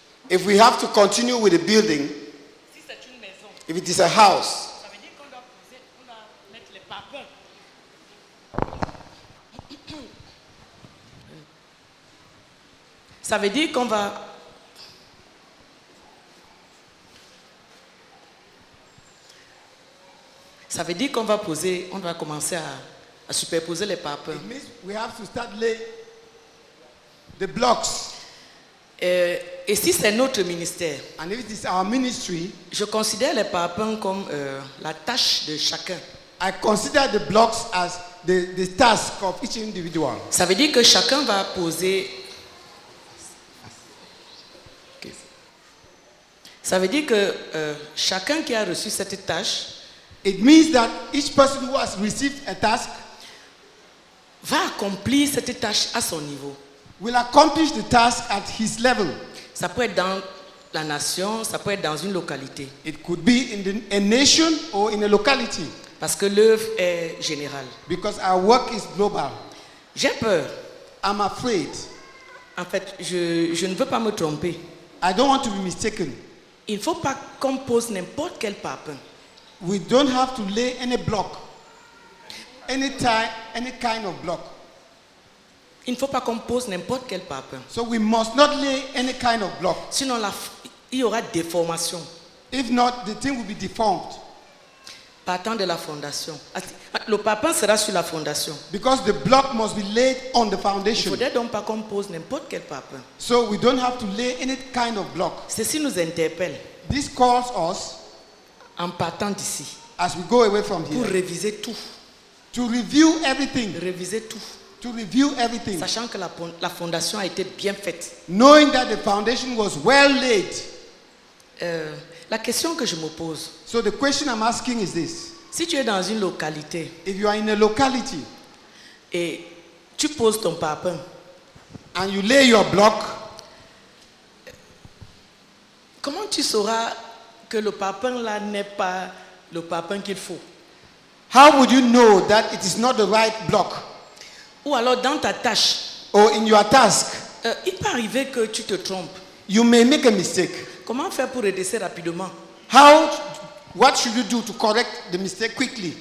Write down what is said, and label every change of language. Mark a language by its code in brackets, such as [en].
[en] If we have to continue with the building, [fr] si c'est une maison, [en] if it is a house, [fr] ça veut dire qu'on doit poser, on doit mettre les parpaings. Ça veut dire qu'on va. Ça veut dire qu'on va poser, on va commencer à superposer les parpaings. [en] It means we have to start laying the blocks. [fr] Et si c'est notre ministère, [en] and if it is our ministry, [fr] je considère les parpaings comme la tâche de chacun. [en] I consider the blocks as the task of each individual. [fr] Ça veut dire que chacun va poser. [en] Okay. [fr] Ça veut dire que chacun qui a reçu cette tâche, [en] it means that each person who has received a task, [fr] va accomplir cette tâche à son niveau. [en] Will accomplish the task at his level. [fr] Ça peut être dans la nation, ça peut être dans une localité. [en] It could be in a nation or in a locality. [fr] Parce que l'œuvre est générale. [en] Because our work is global. [fr] J'ai peur. [en] I'm afraid. [fr] En fait, je ne veux pas me tromper. [en] I don't want to be mistaken. [fr] Il ne faut pas qu'on pose n'importe quel parpaing. [en] We don't have to lay any block. Any kind of block. [fr] Il ne faut pas qu'on pose n'importe quel parpaing. [en] So we must not lay any kind of block. [fr] Sinon, il y aura déformation. [en] If not, the thing will be deformed. [fr] Partant de la fondation. Le parpaing sera sur la fondation. [en] Because the block must be laid on the foundation. [fr] Il ne faudrait donc pas qu'on pose n'importe quel parpaing. [en] So we don't have to lay any kind of block. [fr] Ceci nous interpelle. [en] This calls us. [fr] En partant d'ici. [en] As we go away from [fr] pour [en] here. [fr] Pour réviser tout. [en] To review everything. [fr] Réviser tout. [en] To review everything. [fr] Sachant que la fondation a été bien faite. [en] Knowing that the foundation was well laid. [fr] La question que je me pose. [en] So the question I'm asking is this. [fr] Si tu es dans une localité. [en] If you are in a locality. [fr] Et tu poses ton parpaing. [en] And you lay your block. [fr] Comment tu sauras que le parpaing là n'est pas le parpaing qu'il faut? [en] How would you know that it is not the right block? [fr] Ou alors dans ta tâche. [en] Or in your task. [fr] Il peut arriver que tu te trompes. [en] You may make a mistake. [fr] Comment faire pour redresser rapidement? [en] How? What should you do to correct the mistake quickly?